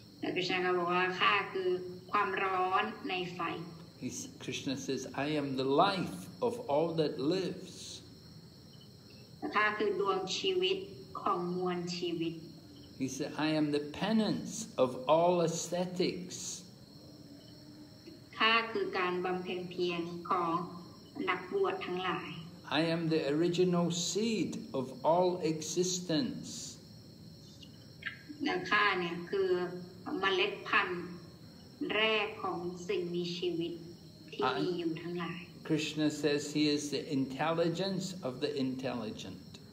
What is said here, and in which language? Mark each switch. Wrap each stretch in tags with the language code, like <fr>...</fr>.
<en>Krishna says, I am the life of all that lives.</en> <th>ข้าคือดวงชีวิตของมวลชีวิต</th> <en>He said, I am the penance of all aesthetics.</en> <th>ข้าคือการบำเพ็ญเพียรของนักบวชทั้งหลาย</th> <en>I am the original seed of all existence.</en> <th>และข้าเนี่ยคือเมล็ดพันธุ์แรกของสิ่งมีชีวิตที่มีอยู่ทั้งหลาย</th> <en>Krishna says he is the intelligence of the intelligent.</en>